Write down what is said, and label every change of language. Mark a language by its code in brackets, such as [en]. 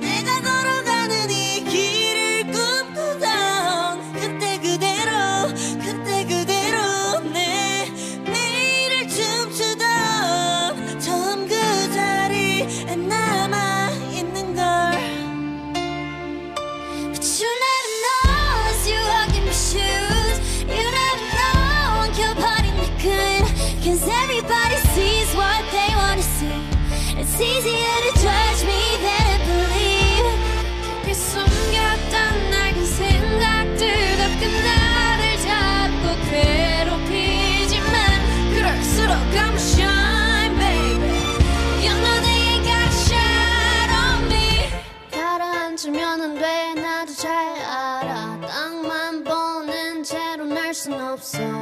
[ko] 내가 걸어가는 이 길을 꿈꾸던 그때 그대로, 그때 그대로 내 매일을 춤추던 처음 그 자리에 남아 있는 걸. [en] But you never know as you walk in my shoes. You never know when you're parting the good. Cause everybody sees what they wanna see. It's easier to judge me than to believe. [ko] 깊이 숨겼던 낡은 생각들 가끔 나를 잡고 괴롭히지만 그럴수록 [en] I'm shine, baby. You know they ain't got a shot on me. [ko] 가라앉으면 돼, 나도 잘 알아. 땅만 보는 채로 날 순 없어.